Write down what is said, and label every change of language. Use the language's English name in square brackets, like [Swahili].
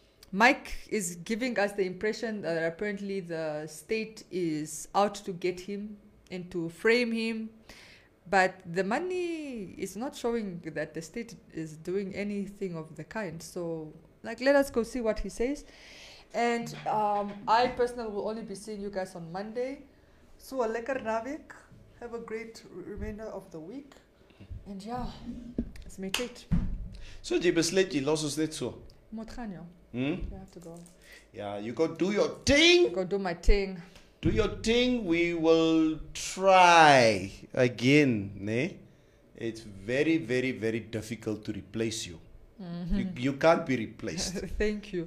[English] Mike is giving us the impression that apparently the state is out to get him and to frame him, but the money is not showing that the state is doing anything of the kind. So, like, let us go see what he says. And I personally will only be seeing you guys on Monday. So, a [Afrikaans] lekker naweek. [English] Have a great remainder of the week. And yeah, it's my treat. [Afrikaans] So, jy besluit jy los ons net so. Moet gaan, ja. [English] You have to go. Yeah, you go do your thing. Go do my thing. Do your thing. We will try again. Ne? It's very, very, very difficult to replace you. Mm-hmm. You can't be replaced. Thank you.